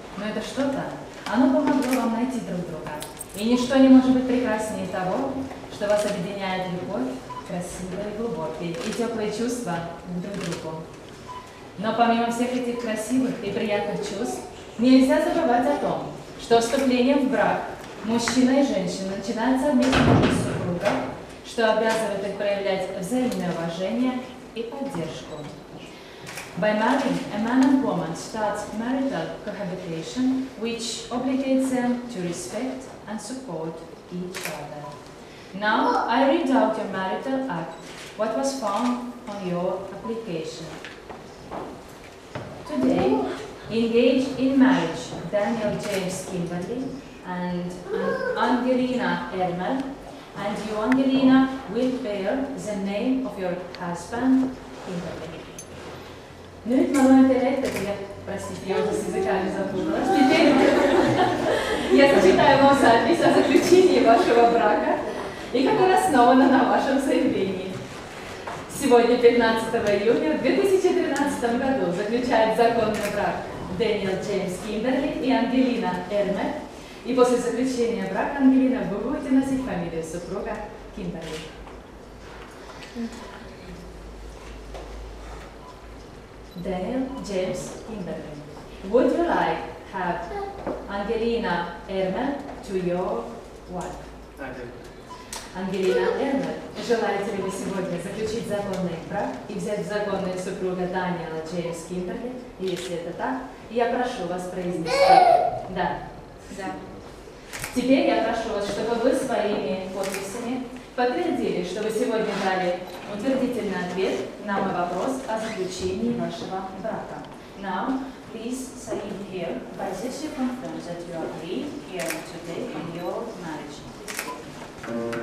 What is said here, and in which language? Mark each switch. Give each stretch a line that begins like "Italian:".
Russian: Но это что-то, оно помогло вам найти друг друга. И ничто не может быть прекраснее того, что вас объединяет любовь, красивые, глубокие и теплые чувства друг к другу. Но помимо всех этих красивых и приятных чувств, нельзя забывать о том, что вступление в брак мужчина и женщина начинается вместе с супругом, что обязывает их проявлять взаимное уважение и поддержку.
English: By marrying, a man and woman start marital cohabitation, which obligates them to respect and support each other. Now, I read out your marital act, what was found on your application. Today, engaged in marriage, Daniel James Kimberly and Angelina Ermer, and you, Angelina, will bear the name of your husband, Kimberly.
Russian: Ну ведь мало интеллекта, я, простите, я уже с языками запуталась. Теперь я зачитаю вам запись о заключении вашего брака, и которая основана на вашем заявлении. Сегодня, 15 июня 2013 году, заключает законный брак Дэниел Джеймс Кимберли и Ангелина Эрме. И после заключения брака Ангелина, вы будете носить фамилию супруга Кимберли.
English: Daniel James Kimberly. Would you like to have Angelina Ermer to your wife?
Russian: Angelina Ermer, желаете ли вы сегодня заключить законный брак и взять законную супруга Даниэла Джеймс Кимберли? И если это так, я прошу вас произнести. Да. Да. Теперь я прошу вас, чтобы вы своими подписями подтвердили, что вы сегодня дали утвердительный ответ на мой вопрос о заключении вашего брака.
English: Now, please sign here by this you confirm that you agree here today on your marriage.